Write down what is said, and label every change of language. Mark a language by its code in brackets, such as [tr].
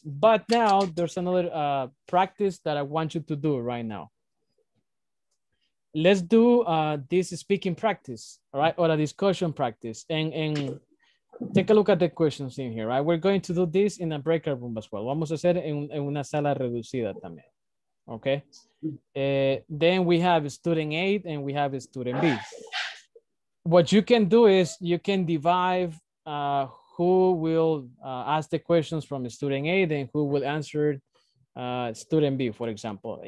[en] But now there's another practice that I want you to do right now. Let's do this speaking practice, all right? Or a discussion practice. And take a look at the questions in here, right? We're going to do this in a breakout room as well. [es] Vamos a hacer en una sala reducida también. [en] Okay, then we have student A and we have student B. What you can do is you can divide who will ask the questions from student A and who will answer student B, for example.